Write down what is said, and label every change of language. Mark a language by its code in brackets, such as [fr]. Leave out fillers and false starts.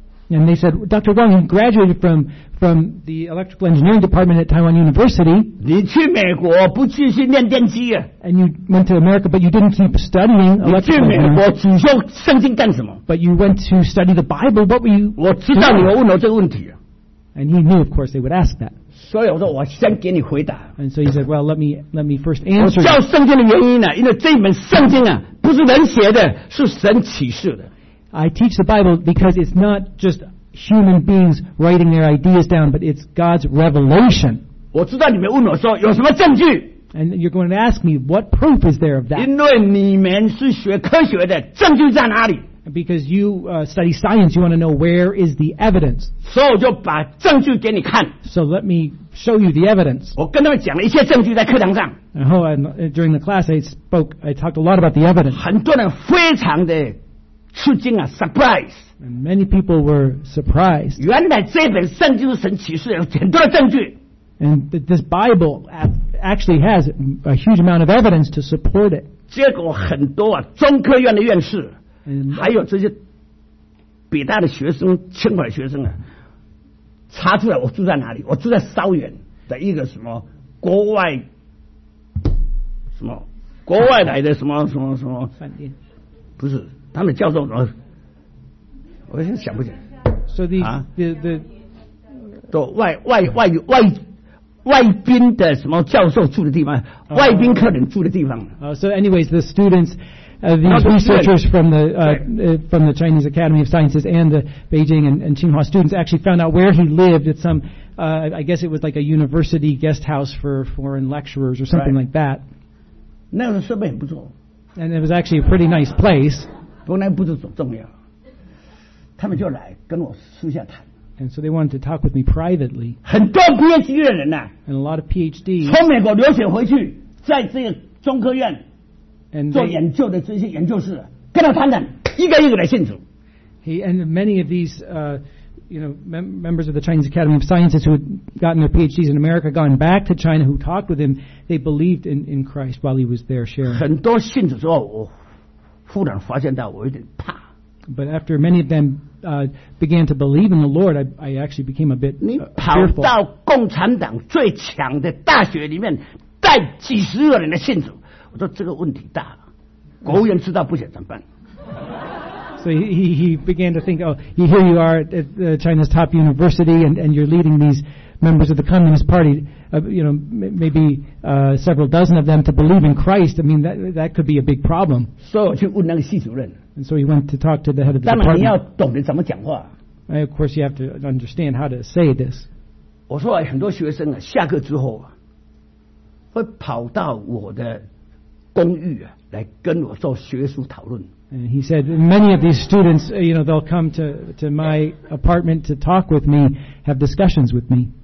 [en] And they said, Dr. Wong, you graduated from the electrical engineering department at Taiwan University. [zh] 你去美国不继续念电机啊。 [en] And you went to America, but you didn't keep studying electrical engineering. [zh] 你去美国主修圣经干什么？ [en] But you went to study the Bible. What were you? [zh] 我知道你会问我这个问题啊。 [en] And he knew, of course, they would ask that. [zh] 所以我说我先给你回答。 [en] And so he said, well, let me first answer. [zh] 我教圣经的原因呢、啊，因为这本圣经啊，不是人写的，是神启示的。 [en] I teach the Bible because it's not just human beings writing their ideas down, but it's God's revelation. [zh] 我知道你们问我说有什么证据? [en] And you're going to ask me, what proof is there of that? [zh] 因为你们是学科学的，证据在哪里? [en] Because you study science, you want to know where is the evidence. [zh] 所以我就把证据给你看。 [en] So let me show you the evidence. [zh] 我跟他们讲了一些证据在课堂上。然后 [en] during the class, I talked a lot about the evidence. [zh] 很多人非常的吃惊啊 ， [en] surprise！ And many people were surprised. [zh] 原来这本圣经是神启示，有很多的证据。 [en] And this Bible actually has a huge amount of evidence to support it. [zh] 结果很多啊，中科院的院士， and, 还有这些北大的学生、清华的学生啊，查出来我住在哪里？我住在稍远的一个什么国外什么国外来的什么什么什么饭店，不是。他们叫做什么？我现在想不起来。 [en] So the [zh] 都外宾的什么教授住的地方，外宾客人住的地方。 [en] So anyways, the students, these researchers from the Chinese Academy of Sciences and the Beijing and Tsinghua students actually found out where he lived at some, I guess it was like a university guest house for foreign lecturers or something like that. [zh] 那个设备很不错。 [en] And it was actually a pretty nice place. [zh] 不过那不是重要，他们就来跟我私下谈。 [en] And so they wanted to talk with me privately. [zh] 很多 PhD 的人呐、啊。 [en] And a lot of PhDs. [zh] 从美国留学回去，在这个中科院做研究的这些研究室，跟他谈谈，一个一个来信主。 [en] He and many of these, you know, members of the Chinese Academy of Sciences who had gotten their PhDs in America, gone back to China, who talked with him, they believed in Christ while he was there sharing. [zh] 很多信主说我。忽然发现到我有点怕。 [en] But after many of them began to believe in the Lord, I actually became a bit fearful. [zh] 你跑到共产党最强的大学里面带几十个人的信主，我说这个问题大了，国务院知道不行怎么办？ [en] So he began to think, oh, here you are at China's top university, and you're leading these members of the Communist Party, several dozen of them, to believe in Christ. I mean, that could be a big problem. [zh] So, 去问那个系主任, [en] and so he went to talk to the head of the department. [zh] 当然你要懂得怎么讲话, [en] and of course, you have to understand how to say this. [zh] 我说很多学生啊, 下课之后, 会跑到我的公寓, 来跟我做学术讨论。 [en] And he said, many of these students, you know, they'll come to my apartment to talk with me, have discussions with me.